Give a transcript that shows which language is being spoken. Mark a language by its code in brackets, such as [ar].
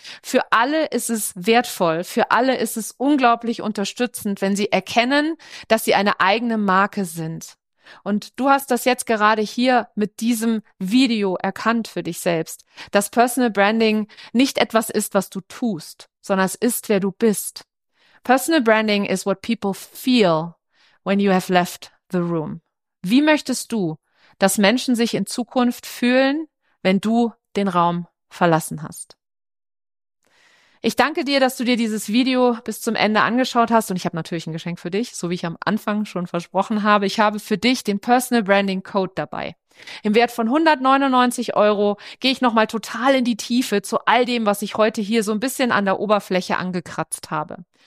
[de] Für alle ist es wertvoll, für alle ist es unglaublich unterstützend, wenn sie erkennen, dass sie eine eigene Marke sind. Und du hast das jetzt gerade hier mit diesem Video erkannt für dich selbst, dass Personal Branding nicht etwas ist, was du tust, sondern es ist, wer du bist. [en] Personal Branding is what people feel when you have left the room. [de] Wie möchtest du, dass Menschen sich in Zukunft fühlen, wenn du den Raum verlassen hast? Ich danke dir, dass du dir dieses Video bis zum Ende angeschaut hast und ich habe natürlich ein Geschenk für dich, so wie ich am Anfang schon versprochen habe. Ich habe für dich den Personal Branding Code dabei. Im Wert von 199 € gehe ich nochmal total in die Tiefe zu all dem, was ich heute hier so ein bisschen an der Oberfläche angekratzt habe.